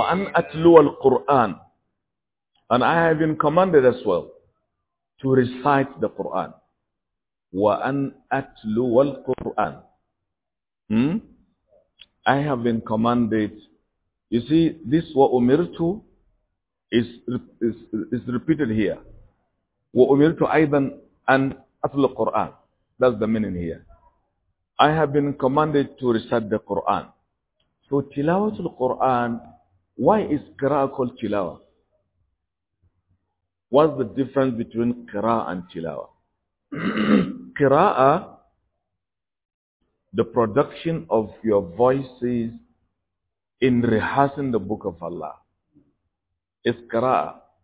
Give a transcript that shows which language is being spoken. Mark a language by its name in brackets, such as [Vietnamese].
[Arabic] وَأَنْ أَتْلُوَ الْقُرْآنَ [English] And I have been commanded as well to recite the Quran. [Arabic] وَأَنْ أَتْلُوَ الْقُرْآنَ [English] I have been commanded. You see, this وَأُمِرْتُ is repeated here. [Arabic] وَأُمِرْتُ أَيْضًا أَنْ أَتْلُوَ الْقُرْآنَ [English] That's the meaning here. I have been commanded to recite the Qur'an. So [Arabic] تِلَاوَةُ الْقُرْآنَ [English] Why is qira'a called tilawa? What's the difference between qira'a and tilawa? Qira'a, the production of your voices in rehearsing the book of Allah, is qira'a.